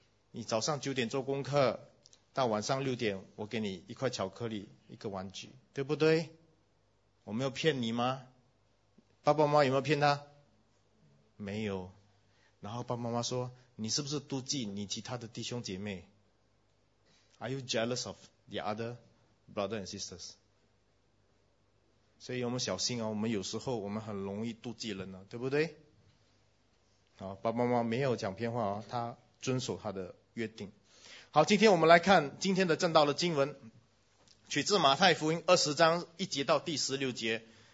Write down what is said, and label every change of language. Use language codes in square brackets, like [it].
[zh] 你早上九点做功课，到晚上六点我给你一块巧克力，一个玩具，对不对？我没有骗你吗？爸爸妈妈有没有骗他？没有。然后爸爸妈妈说，你是不是妒忌你其他的弟兄姐妹？ [en] Are you jealous of the other brothers and sisters? [zh] 所以我们小心啊，我们有时候我们很容易妒忌人啊，对不对？好，爸爸妈妈没有讲偏话啊，他遵守他的约定。好，今天我们来看今天的正道的经文，取自马太福音20章1节到第16节。